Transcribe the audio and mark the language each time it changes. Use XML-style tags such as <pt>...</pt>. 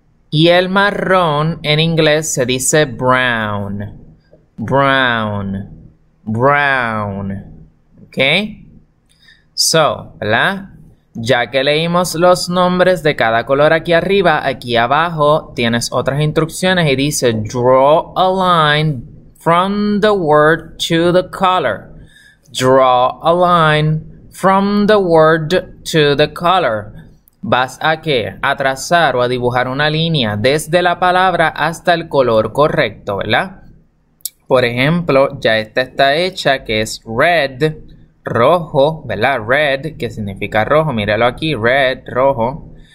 <es>Y el marrón en inglés se dice brown, brown, brown. ¿Ok? So, ¿verdad? Ya que leímos los nombres de cada color aquí arriba, aquí abajo tienes otras instrucciones y dice</es> <en>draw a line from the word to the color. Draw a line from the word to the color.</en> <es>¿Vas a qué? A trazar o a dibujar una línea desde la palabra hasta el color correcto, ¿verdad? Por ejemplo, ya esta está hecha, que es red, rojo, ¿verdad? Red, que significa rojo, míralo aquí, red, rojo.</es>